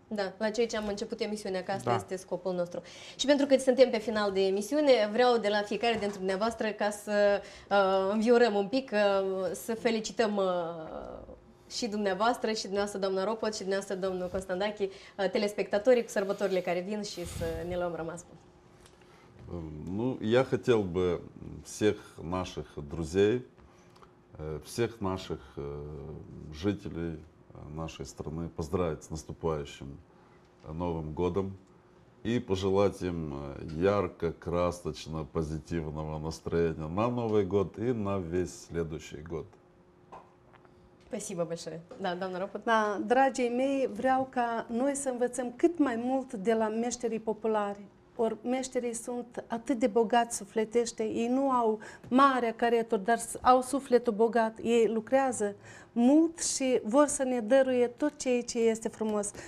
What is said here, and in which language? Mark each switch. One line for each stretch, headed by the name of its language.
Romanian: Da, la ceea ce am început emisiunea, că asta este scopul nostru. Și pentru că suntem pe final de emisiune, vreau de la fiecare dintre dumneavoastră ca să înviorăm un pic, să felicităm și dumneavoastră, și dumneavoastră, doamna Ropot, și dumneavoastră, domnul Constandachi, telespectatorii cu sărbătorile care vin și să ne luăm rămas bun.
Russian: Ну, я хотел бы всех наших друзей, всех наших жителей нашей страны поздравить с наступающим Новым годом и пожелать им ярко, красочно, позитивного настроения на Новый год и на весь следующий год. Спасибо большое. Да, давно работаю. Да, дорогие мои,
Romanian: vreau ca noi să învățăm cât mai mult de la meșterii populari. Ori meșterii sunt atât de bogați sufletește, ei nu au mare careturi, dar au sufletul bogat, ei lucrează mult și vor să ne dăruie tot ceea ce este frumos.